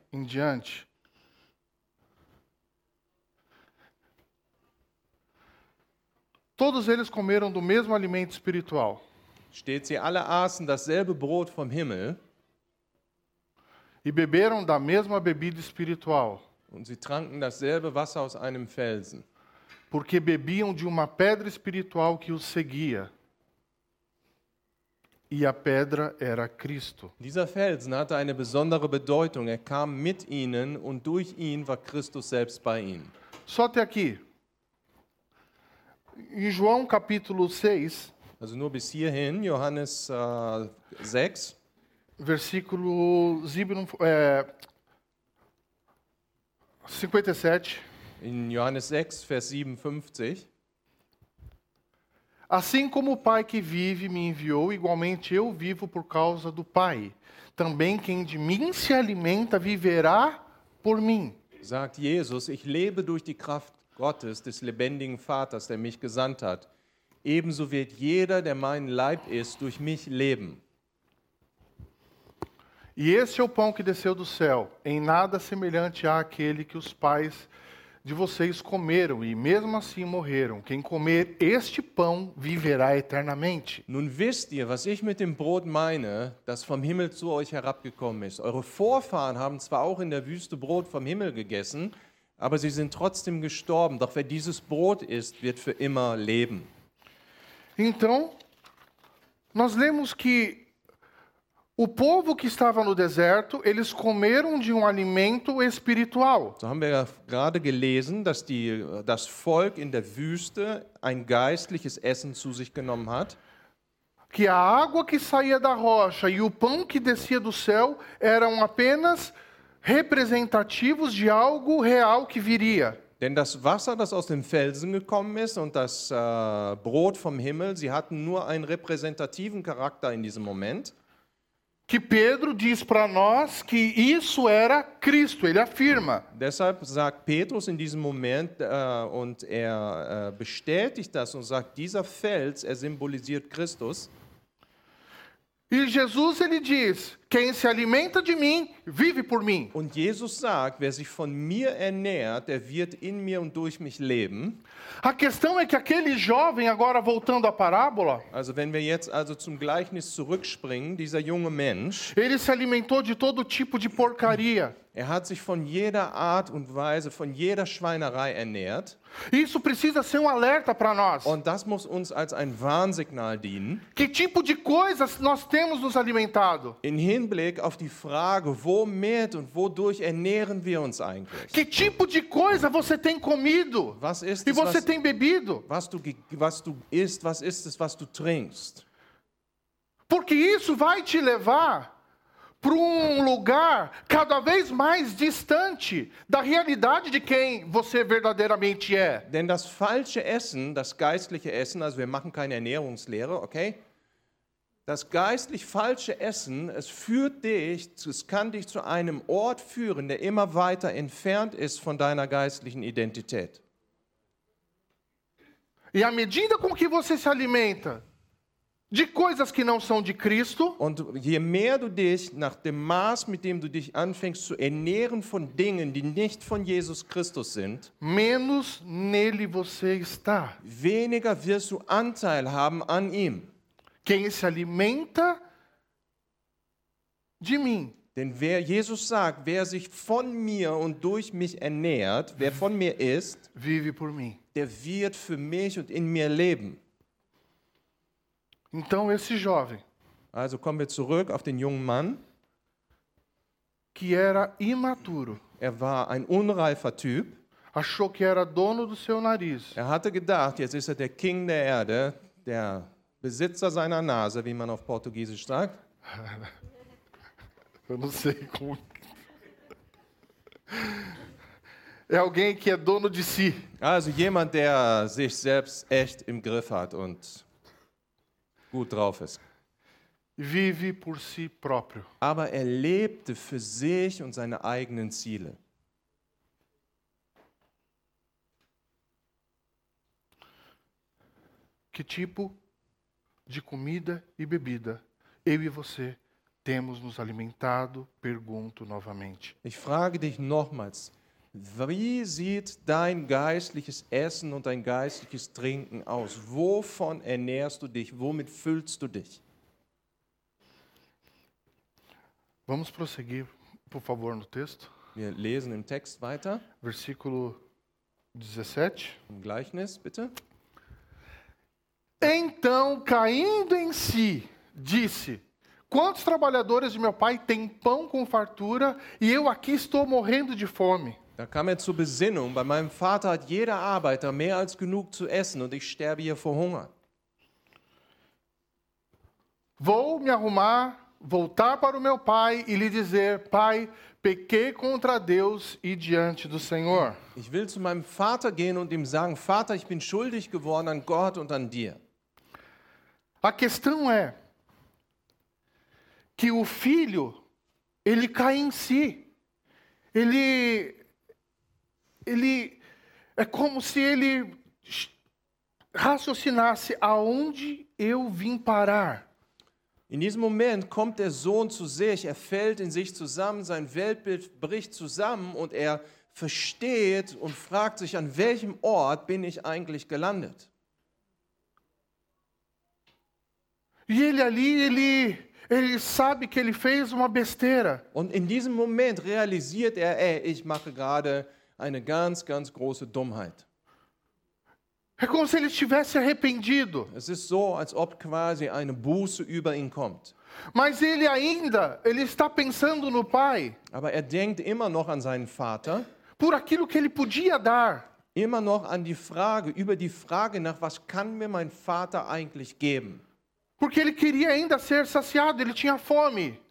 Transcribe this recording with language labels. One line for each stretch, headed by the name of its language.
Portuguese: em diante, todos eles comeram do mesmo alimento espiritual.
German: Steht, sie alle aßen dasselbe Brot vom Himmel.
Portuguese: E beberam da mesma bebida espiritual.
German: Und sie tranken dasselbe Wasser aus einem Felsen.
Portuguese: Porque bebiam de uma pedra espiritual que os seguia. E a pedra era Cristo.
German: Dieser Felsen hatte eine besondere Bedeutung. Er kam mit ihnen und durch ihn war Christus selbst bei ihnen.
Portuguese: Só até aqui. Em João capítulo 6.
German: Also nur bis hierhin, Johannes 6.
Portuguese: Versículo 57.
German: In Johannes 6, Vers 57.
Portuguese: Assim como o Pai que vive me enviou, igualmente eu vivo por causa do Pai. Também quem de mim se alimenta viverá por mim.
German: Sagt Jesus, ich lebe durch die Kraft Gottes, des lebendigen Vaters, der mich gesandt hat. Ebenso wird jeder, der mein Leib isst, durch mich leben.
Portuguese: E esse é o pão que desceu do céu, em nada semelhante àquele que os pais de vocês comeram e mesmo assim morreram. Quem comer este pão viverá eternamente.
German: Nun wisst ihr, was ich mit dem Brot meine, das vom Himmel zu euch herabgekommen ist. Eure Vorfahren haben zwar auch in der Wüste Brot vom Himmel gegessen, aber sie sind trotzdem gestorben. Doch wer dieses Brot isst, wird für immer leben.
Portuguese: Então, nós lemos que o povo que estava no deserto, eles comeram de um alimento espiritual.
German: So haben wir gerade gelesen, dass das Volk in der Wüste ein geistliches Essen zu sich genommen hat.
Portuguese: Que a água que saía da rocha e o pão que descia do céu eram apenas representativos de algo real que viria.
German: Denn das Wasser, das aus dem Felsen gekommen ist und das Brot vom Himmel, sie hatten nur einen repräsentativen Charakter in diesem Moment.
Portuguese: Que Pedro diz para nós que isso era Cristo, ele afirma.
German: Deshalb sagt Petrus in diesem Moment und er bestätigt das und sagt, dieser Fels, er symbolisiert Christus.
Portuguese: E Jesus ele diz, quem se alimenta de mim, vive por mim.
German: Und Jesus sagt, wer sich von mir ernährt, der wird in mir und durch mich leben.
Portuguese: A questão é que aquele jovem agora voltando à parábola,
German: also wenn wir jetzt also zum Gleichnis zurückspringen, dieser junge Mensch,
Portuguese: ele se alimentou de todo tipo de porcaria.
German: Er hat sich von jeder Art und Weise, von jeder Schweinerei ernährt.
Portuguese: Isso precisa ser um alerta para nós.
German: Und das muss uns als ein Warnsignal dienen.
Portuguese: Que tipo de coisas nós temos nos alimentado?
German: In Hinblick auf die Frage, womit und wodurch ernähren wir uns eigentlich?
Portuguese: Que tipo de coisa você tem comido?
German: Was ist
Portuguese: es, você tem bebido?
German: Was du isst, was ist es, was du trinkst?
Portuguese: Porque isso vai te levar para lugar cada vez mais distante da realidade de quem você verdadeiramente é.
German: Denn das falsche Essen, das geistliche Essen, also wir machen keine Ernährungslehre, okay? Das geistlich falsche Essen, es kann dich zu einem Ort führen, der immer weiter entfernt ist von deiner geistlichen Identität.
Portuguese: E à medida com que você se alimenta de coisas que não são de Cristo.
German: Und je mehr du dich nach dem Maß, mit dem du dich anfängst zu ernähren von Dingen, die nicht von Jesus Christus sind,
Portuguese: menos nele você está.
German: Weniger wirst du Anteil haben an ihm.
Portuguese: Quem se alimenta de mim.
German: Denn wer Jesus sagt, wer sich von mir und durch mich ernährt, wer von mir ist,
Portuguese: vive por mim.
German: Der wird für mich und in mir leben.
Portuguese: Então esse jovem.
German: Also kommen wir zurück auf den jungen Mann.
Portuguese: Que era imaturo.
German: Er war ein unreifer Typ.
Portuguese: achou que era dono do seu nariz.
German: Er hatte gedacht, jetzt ist der King der Erde, der Besitzer seiner Nase, wie man auf Portugiesisch sagt.
Portuguese: Eu não sei como. É alguém que é dono de si.
German: Also jemand, der sich selbst echt im Griff hat und gut drauf ist.
Portuguese: Vive por si próprio.
German: Aber er lebte für sich und seine eigenen Ziele.
Portuguese: Que tipo de comida e bebida eu e você temos nos alimentado? Pergunto novamente.
German: Ich frage dich nochmals, wie sieht dein geistliches Essen und dein geistliches Trinken aus? Wovon ernährst du dich? Womit füllst du dich?
Portuguese: Vamos prosseguir, por favor, no texto.
German: Wir lesen im Text weiter.
Portuguese: Versículo 17.
German: Im Gleichnis, bitte.
Portuguese: Então, caindo em si, disse: quantos trabalhadores de meu pai têm pão com fartura e eu aqui estou morrendo de fome?
German: Da kam er zur Besinnung, bei meinem Vater hat jeder Arbeiter mehr als genug zu essen und ich sterbe hier vor Hunger.
Portuguese: Vou me arrumar, voltar para o meu pai e lhe dizer: pai, pequei contra Deus e diante do Senhor.
German: Ich will zu meinem Vater gehen und ihm sagen: Vater, ich bin schuldig geworden an Gott und an dir.
Portuguese: A questão é que o filho, ele cai em si. Ele é como se ele raciocinasse aonde eu vim parar.
German: In diesem Moment kommt der Sohn zu sich, er fällt in sich zusammen, sein Weltbild bricht zusammen und er versteht und fragt sich, an welchem Ort bin ich eigentlich gelandet?
Portuguese: E ele ali, ele sabe que ele fez uma besteira.
German: Und in diesem Moment realisiert er, ey, ich mache gerade eine ganz, ganz große Dummheit.
Portuguese: É como se ele tivesse arrependido.
German: Es ist so, als ob quasi eine Buße über ihn kommt.
Portuguese: Mas ele ainda, ele está pensando no pai.
German: Aber er denkt immer noch an seinen Vater.
Portuguese: Por aquilo que ele podia dar.
German: Immer noch an die Frage, über die Frage nach, was kann mir mein Vater eigentlich geben?
Portuguese: Porque ele queria ainda ser saciado, ele tinha fome.